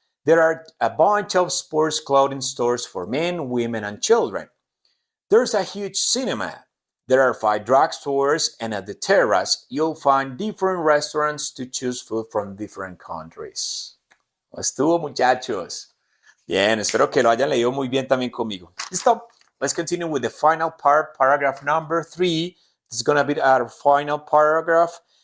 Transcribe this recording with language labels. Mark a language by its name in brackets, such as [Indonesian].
[English] There are a bunch of sports clothing stores for men, women, and children. There's a huge cinema. There are five drugstores, and at the terrace, you'll find different restaurants to choose food from different countries. [Spanish] Estuvo, muchachos. Bien, espero que lo hayan leído muy bien también conmigo. Listo. [English] Let's continue with the final part, paragraph number 3. This is going to be our final paragraph.